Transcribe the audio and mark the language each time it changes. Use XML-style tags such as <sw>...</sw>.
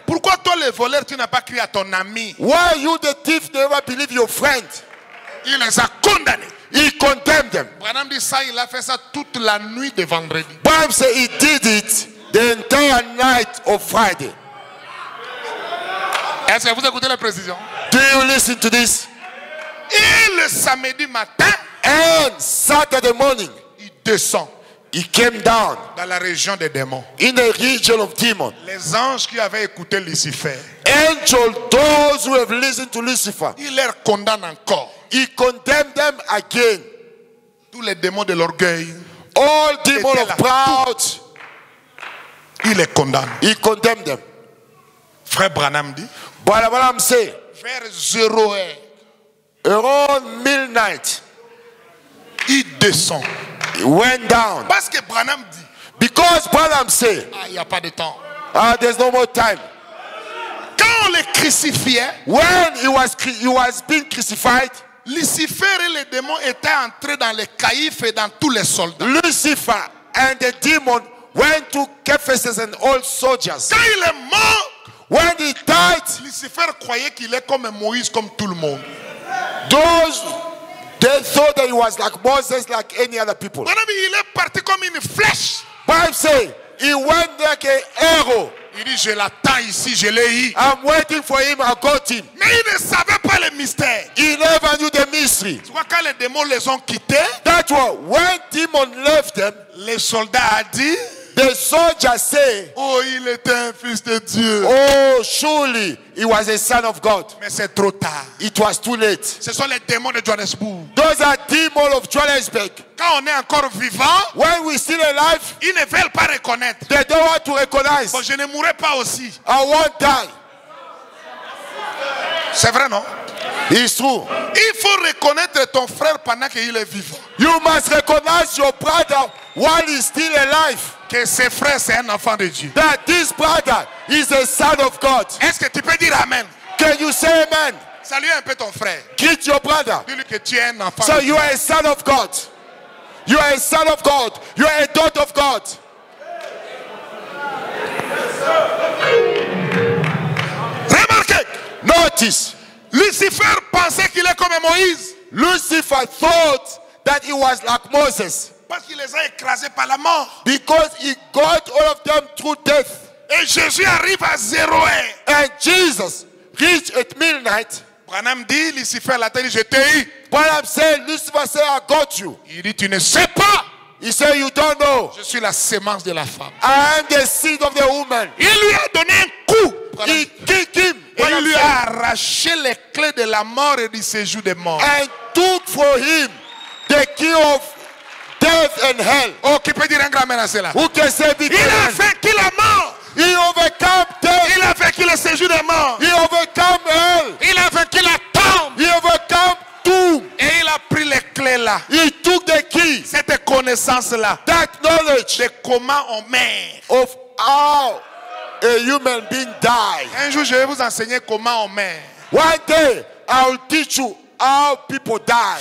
<fr>Pourquoi toi le voleur tu n'as pas crié à ton ami?</fr> <en>Why you the thief never believe your friend?</en> <fr>Il les a condamnés.</fr> <en>He condemned them.</en> <fr>Branham dit ça, il a fait ça toute la nuit de vendredi.</fr> <en>Branham said he did it the entire night of Friday.</en> <fr>Est-ce que vous écoutez la précision?</fr> <en>Do you listen to this?</en> <fr>Et le samedi matin.</fr> <en>And Saturday morning.</en> <fr>Il descend.</fr> <en>He came down</en> <fr>dans la région des démons.</fr> <en>In the region of demons.</en> <fr>Les anges qui avaient écouté Lucifer.</fr> <en>Angels, those who have listened to Lucifer.</en> <fr>Il les condamne encore.</fr> <en>He condemned them again.</en> <fr>Tous les démons de l'orgueil.</fr> <en>All demons of pride.</en> <fr>Il les condamne.</fr> <en>He condemned them.</en> <fr>Frère Branham dit. Voilà, voilà, c'est. Vers 0</fr> <en>around midnight.</en> <fr>Il descend.</fr> <en>He went down.</en> <fr>Parce que Branham dit.</fr> <en>Because Branham say.</en> <fr>Ah, il y a pas de temps.</fr> <en>Ah, there's no more time.</en> <fr>Quand on le crucifiait.</fr> <en>When he was being crucified.</en> <fr>Lucifer et les démons étaient entrés dans les caïphes et dans tous les soldats.</fr> <en>Lucifer and the demon went to Ephesus and all soldiers.</en> <fr>Quand il est mort.</fr> <en>When he died.</en> <fr>Lucifer croyait qu'il est comme Moïse, comme tout le monde.</fr> <en>Those. They thought that he was like Moses, like any other people.</en> <fr>Mon ami, il est parti comme une flèche.</fr> <en>Bible say, he went like an arrow.</en> <fr>Il dit, je l'attends ici, je l'ai eu.</fr> <en>I'm waiting for him, I got him.</en> <fr>Mais il ne savait pas le mystère.</fr> <en>He never knew the mystery.</en> <fr>Tu vois, quand les démons les ont quittés,</fr> <en>that's why, when demons left them,</en> <fr>les soldats ont dit,</fr> <en>The soldier said,</en> <fr>oh, il était un fils de Dieu.</fr> <en>Oh, surely he was a son of God.</en> <fr>Mais c'est trop tard.</fr> <en>It was too late.</en> <fr>Ce sont les démons de Johannesburg.</fr> <en>Those are demons of Johannesburg.</en> <fr>Quand on est encore vivant,</fr> <en>when we still alive,</en> <fr>ils ne veulent pas reconnaître.</fr> <en>They don't want to recognize.</en> <fr>Bon, je ne mourrai pas aussi.</fr> <en>I won't die.</en> <fr>C'est vrai, non?</fr> <en>It's true.</en> <fr>Il faut reconnaître ton frère pendant qu'il est vivant.</fr> <en>You must recognize your brother while he's still alive.</en> <fr>Que ses frères c'est un enfant de Dieu.</fr> <en>That this brother is a son of God.</en> <fr>Est-ce que tu peux dire amen?</fr> <en>Can you say amen?</en> <fr>Salue un peu ton frère.</fr> <en>Greet your brother.</en> <fr>Dis-lui que tu es un enfant.</fr> <en>So you are a son of God. You are a son of God. You are a daughter of God.</en> <fr>Remarquez.</fr> <en>Notice.</en> <fr>Lucifer pensait qu'il est comme Moïse.</fr> <en>Lucifer thought that he was like Moses.</en> <fr>Parce qu'il les a écrasés par la mort.</fr> <en>Because he got all of them through death.</en> <fr>Et Jésus arrive à 0h.</fr> <en>And Jesus reached at midnight.</en> <fr>Branham dit, Lucifer l'a dit, je t'ai eu.</fr> <en>Branham said, Lucifer said, I got you.</en> <fr>Il dit, tu ne sais pas.</fr> <en>He said, you don't know.</en> <fr>Je suis la semence de la femme.</fr> <en>I am the seed of the woman.</en> <fr>Il lui a donné un coup.</fr> <en>He kicked him.</en> <fr>Et il lui a arraché les clés de la mort et du séjour des morts.</fr> <en>And took for him the key of death and hell.</en> <fr>Oh, qui peut dire un grand amen à cela?</fr> <en>Who can say big</en> <fr>amen? Il a vaincu la mort.</fr> <en>He overcame death.</en> <fr>Il a vaincu le séjour des morts.</fr> <en>He overcame hell.</en> <fr>Il a vaincu la tombe.</fr> <en>He overcame tomb.</en> <fr>Et il a pris les clés là.</fr> <en>He took the key.</en> <fr>Cette connaissance là.</fr> <en>That knowledge.</en> <fr>De comment on meurt.</fr> <en>Of how a human being died.</en> <fr>Un jour, je vais vous enseigner comment on meurt.</fr> <en>One day, I will teach you how people die.</en>